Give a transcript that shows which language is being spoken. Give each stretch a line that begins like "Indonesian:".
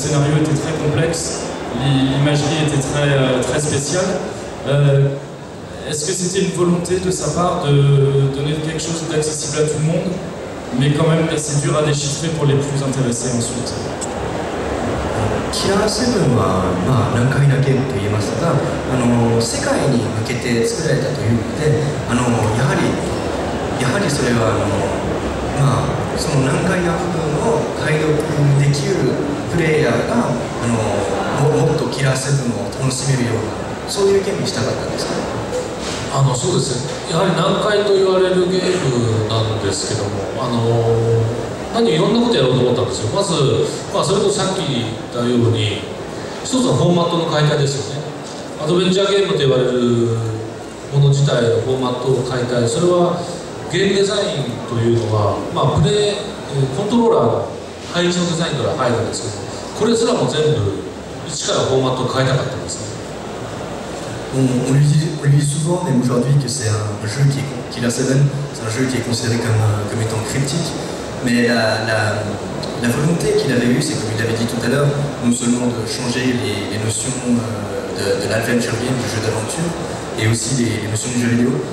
French: Le scénario était très complexe, l'imagerie était très, très spéciale. Est-ce que c'était une volonté de sa part de donner quelque chose d'accessible à tout le monde, mais quand même assez dur à déchiffrer pour les plus intéressés ensuite ?
Japanese: キラーセブンはまあ難解なゲームと言えますが、世界に向けて作られたということで、やはりそれはまあその難解な部分を解読できるプレイヤーが、もっとキラーセブンを楽しめるような、そういうゲームにしたかったんですか？そうですね、やはり難解と言われるゲームなんですけども、いろんなことやろうと思ったんですよ。まず、それとさっき言ったように、一つのフォーマットの解体ですよね。アドベンチャーゲームと言われるもの自体のフォーマットを解体、それはゲームデザインというのは、プレイ、コントローラーの配置のデザインから入るんですけど、これすらも全部、一からフォーマットを変えたかったんですね。
French: On lui dit souvent, même aujourd'hui, que c'est un jeu qui est Killer 7, c'est un jeu qui est considéré comme étant cryptique. Mais la volonté qu'il avait eue, c'est comme il l'avait dit tout à l'heure, non seulement de changer les notions de l'adventure game, du jeu d'aventure, et aussi les notions du jeu vidéo.